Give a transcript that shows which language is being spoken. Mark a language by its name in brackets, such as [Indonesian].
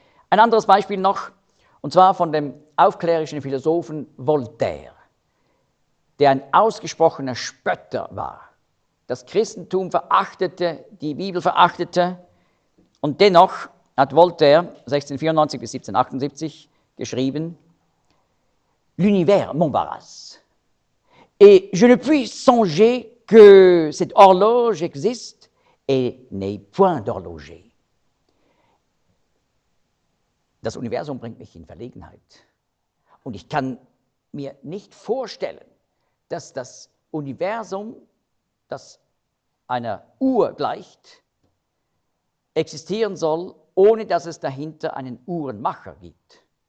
[German] Ein anderes Beispiel noch, und zwar von dem aufklärischen Philosophen Voltaire, der ein ausgesprochener Spötter war. Das Christentum verachtete, die Bibel verachtete, und dennoch hat Voltaire 1694 bis 1778 geschrieben, [French] L'univers, m'embarrasse. Et je ne puis songer que cette horloge existe et n'est point d'horloger. [German] Das Universum bringt mich in Verlegenheit. Und ich kann mir nicht vorstellen, dass das Universum, das einer Uhr gleicht, existieren soll, ohne dass es dahinter einen Uhrenmacher gibt.